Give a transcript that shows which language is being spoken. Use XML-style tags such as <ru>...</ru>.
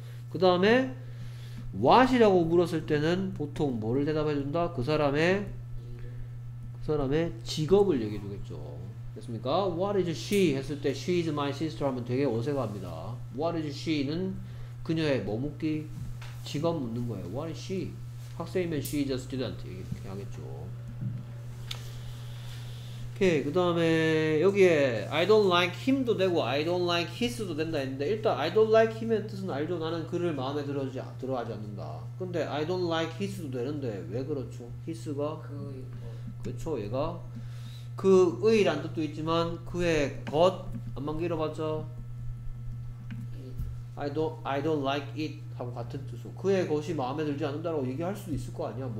<ko>그 다음에 what이라고 물었을 때는 보통 뭐를 대답해준다? 그 사람의 직업을 얘기해주겠죠.</ko> <en>됐습니까? What is she?</en> <ko>했을 때</ko> <en>she is my sister</en> <ko>하면 되게 어색합니다.</ko> <en>What is she?</en> <ko>는 그녀의 머뭇기 직업 묻는 거예요.</ko> <en>What is she? 학생이면 she is a student</en> <ko>이렇게 하겠죠. 오케이.</ko> <en>그 다음에 여기에 I don't like him도 되고 I don't like his도 된다 했는데 일단 I don't like him의 뜻은 알죠.</en> <ko>나는 그를 마음에 들어하지 않는다. 근데</ko> <en>I don't like his</en> <ko>도 되는데 왜 그렇죠?</ko> <en>his가</en> <ko>그의 그렇죠. 얘가 그의란 뜻도 있지만 그의 것 안만 길어봤자</ko> <en>I don't like it</en> <ko>하고 같은 뜻으로 그의 것이 마음에 들지 않는다라고 얘기할 수도 있을 거 아니야.</ko>